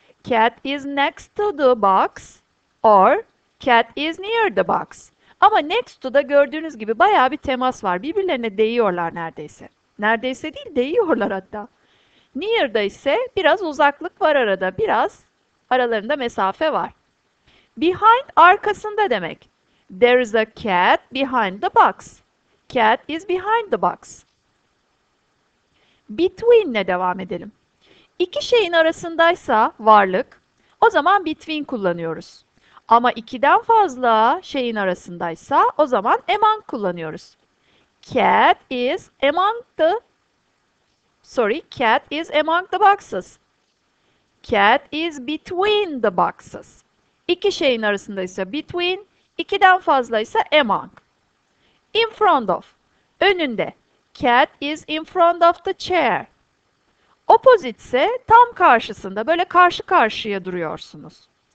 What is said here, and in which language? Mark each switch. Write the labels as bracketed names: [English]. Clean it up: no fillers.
[English] Cat is next to the box or cat is near the box. [Turkish] Ama next to da gördüğünüz gibi bayağı bir temas var. Birbirlerine değiyorlar neredeyse. Neredeyse değil, değiyorlar hatta. Near'da ise biraz uzaklık var arada. Biraz aralarında mesafe var. [English] Behind [Turkish] arkasında demek. [English] There is a cat behind the box. Cat is behind the box. Between [Turkish] ile devam edelim. İki şeyin arasındaysa varlık. O zaman between kullanıyoruz. Ama ikiden fazla şeyin arasındaysa o zaman among kullanıyoruz. [English] Cat is among the sorry, cat is among the boxes. Cat is between the boxes. [Turkish] İki şeyin arasında ise between, ikiden fazla ise among. [English] In front of, önünde. Cat is in front of the chair. [Turkish] Opposite ise tam karşısında, böyle karşı karşıya duruyorsunuz.